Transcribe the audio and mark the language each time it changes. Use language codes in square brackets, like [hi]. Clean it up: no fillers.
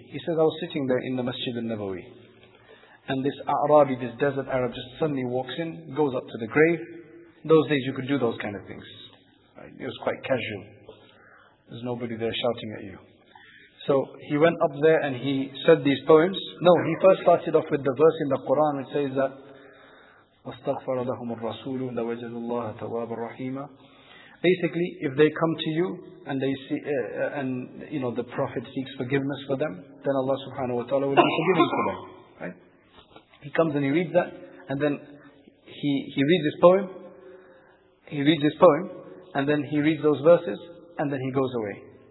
[en] He says, I was sitting there in the Masjid al-Nabawi, and this A'rabi, this desert Arab, just suddenly walks in, goes up to the grave. In those days you could do those kind of things. It was quite casual. There's nobody there shouting at you. So he went up there and he said these poems. No, he first started off with the verse in the Quran. It says that [ar] وَاسْتَغْفَرَ لَهُمُ الرَّسُولُ لَوَجَدُ اللَّهَ تَوَابَ الرَّحِيمَ. [en] Basically, if they come to you and they see, and you know, the Prophet seeks forgiveness for them, then Allah subhanahu wa ta'ala will be forgiving for them. Right? He comes and he reads that, and then he reads this poem, and then he reads those verses, and then he goes away.